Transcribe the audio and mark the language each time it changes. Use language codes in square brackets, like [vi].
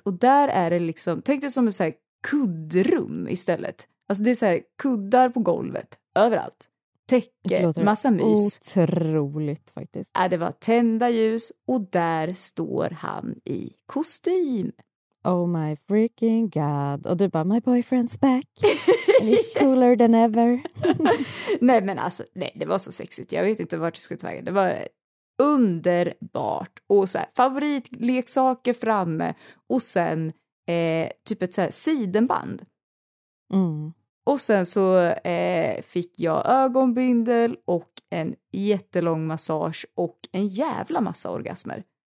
[sv] Och där är det liksom, tänk dig som ett så här kuddrum istället. Alltså det är så här kuddar på golvet, överallt. Täcke, massa mys. Otroligt faktiskt. Det var tända ljus och där står han i kostym. [en] Oh my freaking god. [sv] Och du bara, [en] my boyfriend's back. And he's cooler than ever. [sv] Nej men alltså, nej, det var så sexigt. Jag vet inte vart det skulle ta vägen. Det var underbart. Och så här, favoritleksaker framme. Och sen typ ett så här sidenband. Mm. Och sen så fick jag ögonbindel och en jättelång massage och en jävla massa orgasmer.